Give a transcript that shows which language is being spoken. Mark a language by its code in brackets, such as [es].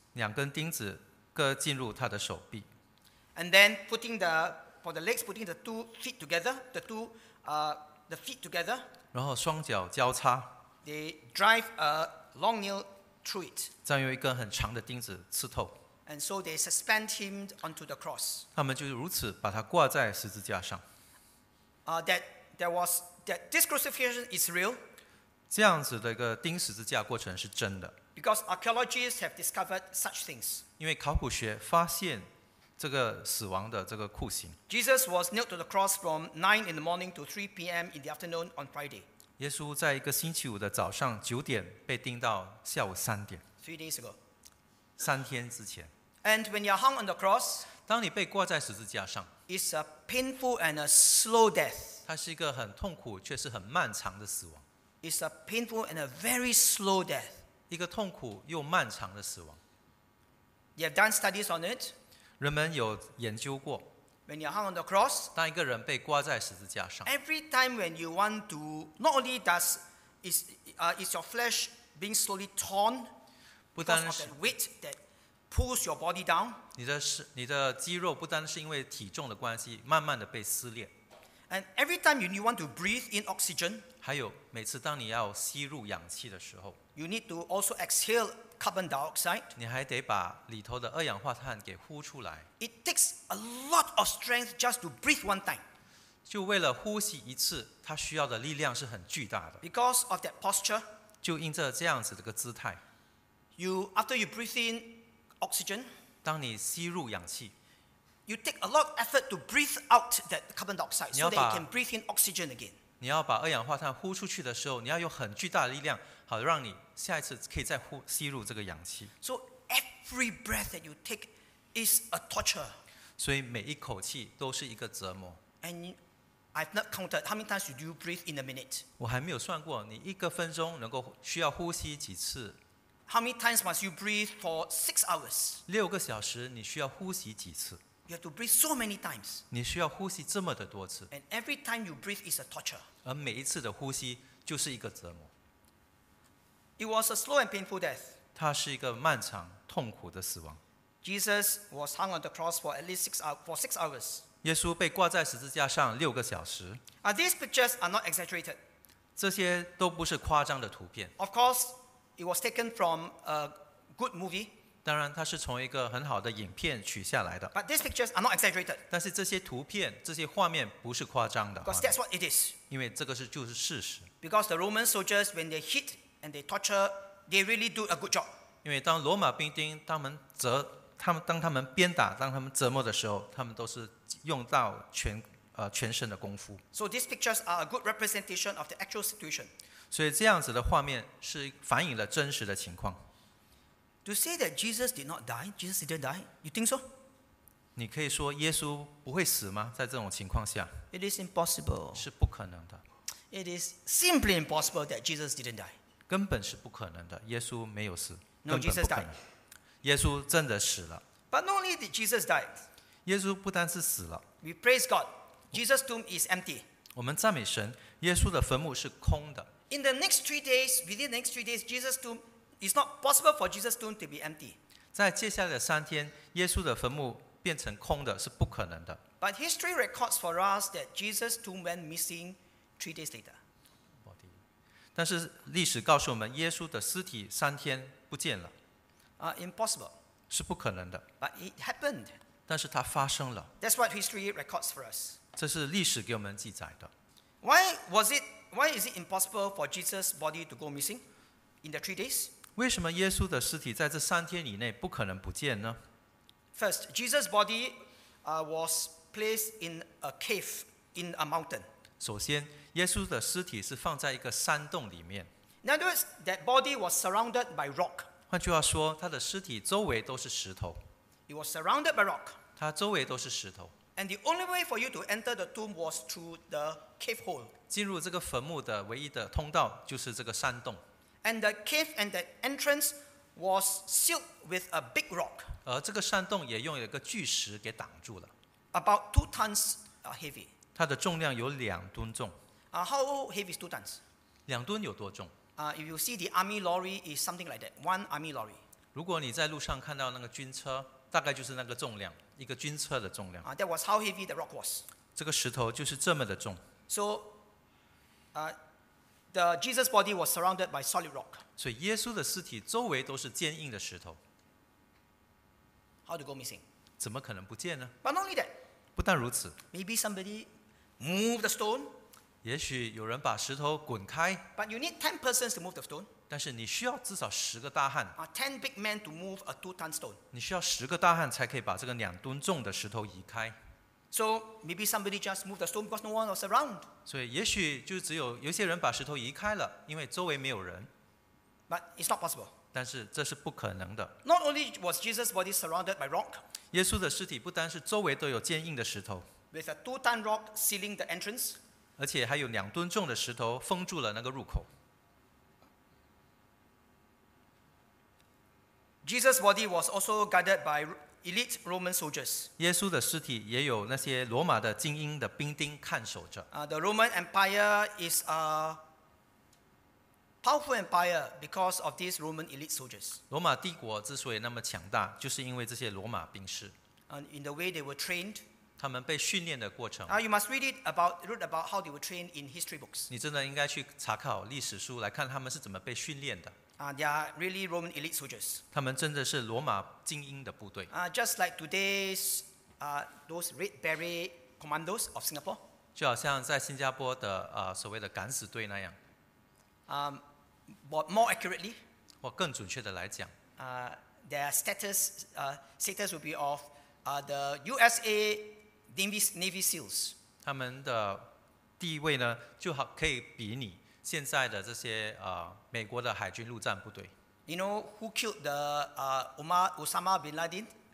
[zh] 两根钉子各进入他的手臂。 [en] And then putting the for the legs, putting the two feet together, the two the feet together. [zh] 然后双脚交叉 [en] ，They drive a long nail through it， [zh] 这样用一根很长的钉子刺透 [en] ，And so they suspend him onto the cross。 [zh] 他们就如此把他挂在十字架上。 [en] That this crucifixion is real。 [zh] 这样子的一个钉十字架过程是真的 [en] ，Because archaeologists have discovered such things。 [zh] 因为考古学发现这个死亡的这个酷刑。 [en] Jesus was nailed to the cross from 9 in the morning to 3 p.m. in the afternoon on Friday. [zh] 耶稣在一个星期五的早上9点被钉到下午3点。 [en] Three days ago. [zh] 三天之前。 [en] And when you are hung on the cross, [zh] 当你被挂在十字架上 [en] it's a painful and a slow death. [zh] 它是一个很痛苦却是很漫长的死亡。 [en] It's a painful and a very slow death. [zh] 一个痛苦又漫长的死亡。 [en] You have done studies on it. [zh] 人们有研究过 [en] when you hung on the cross, [zh] 当一个人被挂在十字架上 [en] every time when you want to not only does is your flesh being slowly torn because of the weight that pulls your body down [zh] 你的肌肉不单是因为体重的关系慢慢的被撕裂 [en] And every time you want to breathe in oxygen, [zh] 还有每次当你要吸入氧气的时候， [en] you need to also exhale carbon dioxide. [zh] 你还得把里头的二氧化碳给呼出来。 [en] It takes a lot of strength just to breathe one time. [zh] 就为了呼吸一次，它需要的力量是很巨大的。 [en] Because of that posture, [zh] 就因着这样子的个姿态， [en] you after you breathe in oxygen, [zh] 当你吸入氧气。 [en] You take a lot of effort to breathe out that carbon dioxide so that you can breathe in oxygen again. [zh] 你要把二氧化碳呼出去的时候，你要有很巨大的力量，好让你下一次可以再呼吸入这个氧气。 [en] So every breath that you take is a torture. [zh] 所以每一口气都是一个折磨。 [en] And I've not counted how many times you do breathe in a minute. [zh] 我还没有算过你一个分钟能够需要呼吸几次。 [en] How many times must you breathe for 6 hours? [zh] 六个小时你需要呼吸几次？ [en] You have to breathe so many times. [zh] 你需要呼吸这么的多次。 [en] And every time you breathe is a torture. [zh] 而每一次的呼吸就是一个折磨。 [en] It was a slow and painful death. [zh] 它是一个漫长痛苦的死亡。 [en] Jesus was hung on the cross for at least six hours. [zh] 耶稣被挂在十字架上六个小时。 [en] Now, these pictures are not exaggerated. [zh] 这些都不是夸张的图片。 [en] Of course, it was taken from a good movie. [zh] 当然它是从一个很好的影片取下来的。 [en] But these pictures are not exaggerated. [zh] 但是这些图片这些画面不是夸张的。 [en] Because that's what it is. [zh] 因为这个是就是事实。 [en] Because the Roman soldiers when they hit and they torture, they really do a good job. [zh] 因为当罗马兵丁当他们鞭打当他们折磨的时候他们都是用到 全身的功夫。 [en] So these pictures are a good representation of the actual situation. [zh] 所以这样子的画面是反映了真实的情况。 [en] To say that Jesus did not die, Jesus didn't die. You think so? [zh] 你可以说耶稣不会死吗？在这种情况下 [en] ，It is impossible. [zh] 是不可能的。 [en] It is simply impossible that Jesus didn't die. [zh] 根本是不可能的，耶稣没有死。 [en] No, Jesus died. [zh] 耶稣真的死了。 [en] But not only did Jesus die. [zh] 耶稣不单是死了。 [en] We praise God. Jesus' tomb is empty. [zh] 我们赞美神，耶稣的坟墓是空的。 [en] In the next 3 days, within the next 3 days, Jesus' tomb. It's not possible for Jesus' tomb to be empty. [zh] 在接下来的三天，耶稣的坟墓变成空的是不可能的。 [en] But history records for us that Jesus' tomb went missing 3 days later. [zh] 但是历史告诉我们，耶稣的尸体三天不见了。 [en] Impossible. [zh] 是不可能的。 [en] But it happened. [zh] 但是它发生了。 [en] That's what history records for us. [zh] 这是历史给我们记载的。 [en] Why is it impossible for Jesus' body to go missing in the 3 days? [zh] 为什么耶稣的尸体在这三天以内不可能不见呢？ [en] First, Jesus' body was placed in a cave in a mountain. [zh] 首先，耶稣的尸体是放在一个山洞里面。 [en] In other words, that body was surrounded by rock. [zh] 换句话说，他的尸体周围都是石头。 [en] It was surrounded by rock. [zh] 他周围都是石头。 [en] And the only way for you to enter the tomb was through the cave hole. [zh] 进入这个坟墓的唯一的通道就是这个山洞。 [en] And the cave and the entrance was sealed with a big rock. [zh] 而这个山洞也用一个巨石给挡住了。 [en] About 2 tons heavy. [zh] 它的重量有2吨重。 [en] How heavy is 2 tons? [zh] 2吨有多重？ [en] If you see the army lorry, it's something like that. One army lorry. [zh] 如果你在路上看到那个军车，大概就是那个重量，一个军车的重量。 [en] That was how heavy the rock was. [zh] 这个石头就是这么的重。 [en] So, The Jesus' body was surrounded by solid rock. [zh] 所以耶稣的尸体周围都是坚硬的石头。 [en] How to go missing? [zh] 怎么可能不见呢？ [en] But not only that. [zh] 不但如此。 [en] Maybe somebody moved the stone. [zh] 也许有人把石头滚开。 [en] But you need 10 persons to move the stone. [zh] 但是你需要至少10个大汉。 [en] 10 big men to move a 2-ton stone. [zh] 你需要10个大汉才可以把这个2吨重的石头移开。 [en] So maybe somebody just moved the stone because no one was around. [zh] 所以也许就只有有些人把石头移开了，因为周围没有人。 [en] But it's not possible. [zh] 但是这是不可能的。 [en] Not only was Jesus' body surrounded by rock. [zh] 耶稣的尸体不单是周围都有坚硬的石头。 [en] With a 2-ton rock sealing the entrance. [zh] 而且还有2吨重的石头封住了那个入口。 [en] Jesus' body was also guarded by Elite Roman soldiers. [zh] 耶稣的尸体也有那些罗马的精英的兵丁看守着。 [en] The Roman Empire is a powerful empire because of these Roman elite soldiers. [zh] 罗马帝国之所以那么强大，就是因为这些罗马兵士。 [en] And in the way they were trained. [zh] 他们被训练的过程。 [en] You must read it about, read about how they were trained in history books. [zh] 你真的应该去查考历史书，来看他们是怎么被训练的。 [en] They are really Roman elite soldiers. [zh] 他们真的是罗马精英的部队。 [en] Just like today's, those red beret commandos of Singapore. [zh] 就好像在新加坡的所谓的敢死队那样。 [en] But more accurately, [zh] 或更准确的来讲。 [en] Their status will be of the USA Navy SEALs. [zh] 他们的地位呢，就好可以比你现在的这些美国的海军陆战部队。 [en] You know who killed the Osama bin Laden?